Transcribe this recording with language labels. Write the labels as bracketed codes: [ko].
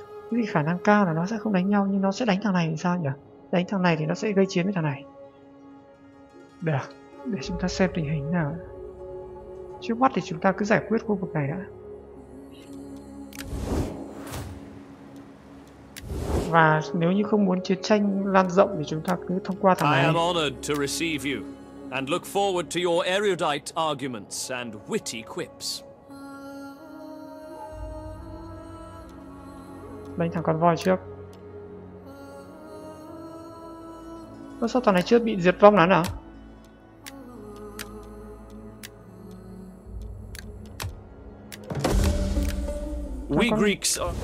[vi] Cái gì khả năng cao là nó sẽ không đánh nhau, nhưng nó sẽ đánh thằng này thì sao nhỉ? Đánh thằng này thì nó sẽ gây chiến với thằng này. Được, để chúng ta xem tình hình nào. Trước mắt thì chúng ta cứ giải quyết khu vực này đã. Và nếu như không muốn chiến tranh lan rộng thì chúng ta cứ thông qua thằng này. [en] I am honored to receive you and look forward to your erudite arguments and witty quips. [vi] Đánh thằng con voi trước. Ơ sao thằng này chưa bị diệt vong nữa nào? [en] We Greeks.